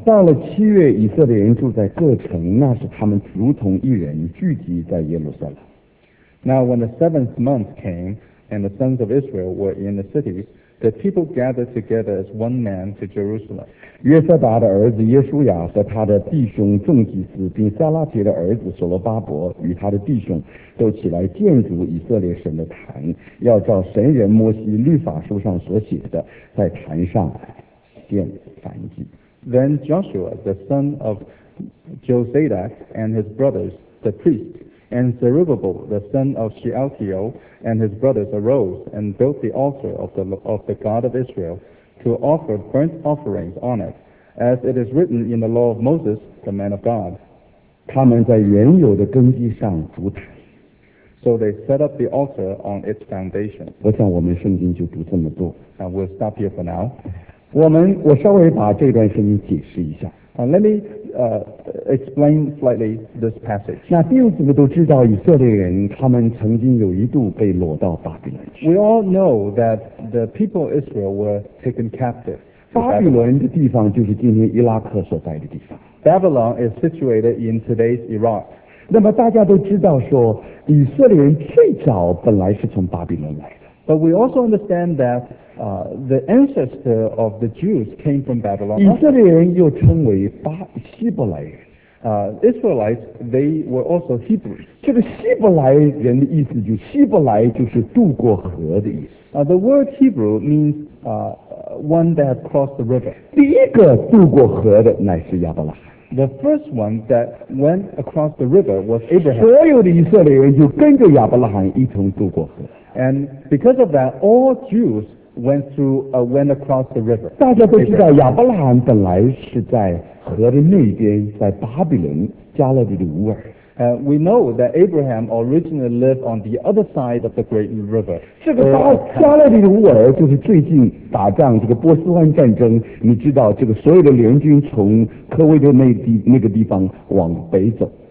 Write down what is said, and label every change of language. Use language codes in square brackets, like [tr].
[zh] 到了七月，以色列人住在各城，那是他们如同一人聚集在耶路撒冷。 [en] Now when the seventh month came, and the sons of Israel were in the cities, the people gathered together as one man to Jerusalem. [zh] 约瑟达的儿子耶稣雅和他的弟兄众祭司，并撒拉杰的儿子所罗巴伯与他的弟兄都起来建筑以色列神的坛，要照神人摩西律法书上所写的，在坛上献燔祭。 [en] Then Joshua, the son of Josadak, and his brothers, the priests, and Zerubbabel, the son of Shealtiel, and his brothers arose and built the altar of the God of Israel to offer burnt offerings on it, as it is written in the law of Moses, the man of God. [zh] 他们在原有的根基上筑坛。 [en] So they set up the altar on its foundation. [zh] 我想我们圣经就读这么多。 [en] And we'll stop here for now. [zh] 我稍微把这段圣经解释一下。 [en] Let me explain slightly this passage. [zh] 那弟兄姊妹都知道，以色列人他们曾经有一度被掳到巴比伦去。 [en] We all know that the people of Israel were taken captive. [zh] 巴比伦的地方就是今天伊拉克所在的地方。 [en] Babylon is situated in today's Iraq. [zh] 那么大家都知道说，以色列人最早本来是从巴比伦来的。 [en] But we also understand that the ancestor of the Jews came from Babylon. [zh] 以色列人又称为巴希伯来人。 [en] Israelites, they were also Hebrews. [zh] 这个希伯来人的意思就是希伯来就是渡过河的意思。 [en] The word Hebrew means one that crossed the river. [zh] 第一个渡过河的乃是亚伯拉罕。 [en] The first one that went across the river was Abraham. [zh] 所有的以色列人就跟着亚伯拉罕一同渡过河。 [en] And because of that, all Jews went across the river. [zh] 大家都知道亚伯拉罕本来是在河的那边，在巴比伦加勒底的乌尔。 [en] We know that Abraham originally lived on the other side of the great river. [zh] 这个加勒底的乌尔就是最近打仗这个波斯湾战争，你知道这个所有的联军从科威特那个地方往北走。